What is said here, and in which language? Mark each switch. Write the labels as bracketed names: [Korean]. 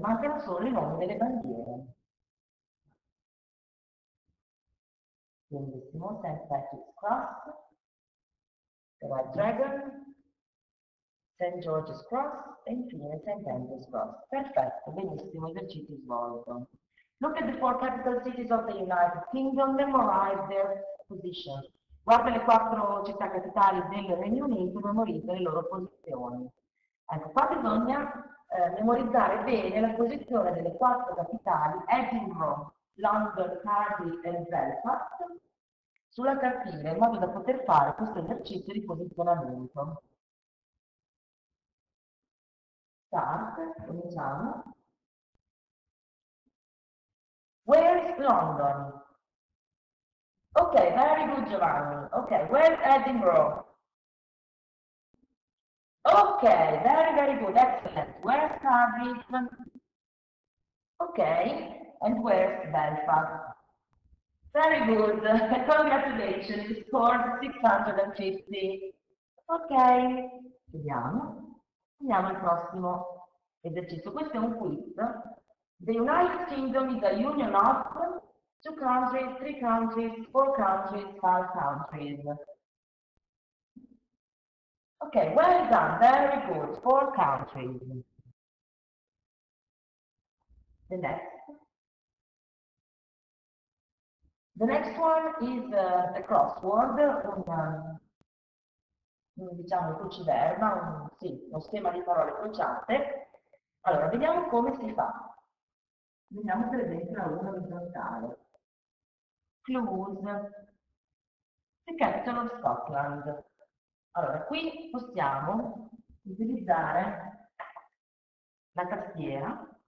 [Italian] Mancano solo i nomi delle bandiere. Benissimo, St. Patrick's Cross. The Red Dragon, St. George's Cross e infine St. Andrew's Cross. Perfetto, benissimo, esercizio svolto. [English] Look at the four capital cities of the United Kingdom, memorize their position. [Italian] Guarda le quattro città capitali del Regno Unito, memorizza le loro posizioni. Ecco, qua bisogna memorizzare bene la posizione delle quattro capitali, Edinburgh, London, Cardiff e Belfast, sulla cartina in modo da poter fare questo esercizio di posizionamento. Start, cominciamo. [English] Where is London? Ok, very good Giovanni. Ok, where is Edinburgh? Ok, very, very good, excellent. Where is Cardiff? Ok, and where is Belfast? Very good, congratulations, you scored 650. [Italian] Ok, vediamo. Andiamo al prossimo esercizio. Questo è un quiz. [English] The United Kingdom is a union of two countries, three countries, four countries, five countries. Ok, well done, very good, four countries. The next. The next one is a crossword, [Italian] un diciamo cruciverba, sì, uno schema di parole crociate. Allora, vediamo come si fa. Vediamo per esempio la una orizzontale. [English] Clues. The capital of Scotland. [Italian] Allora, qui possiamo utilizzare la tastiera.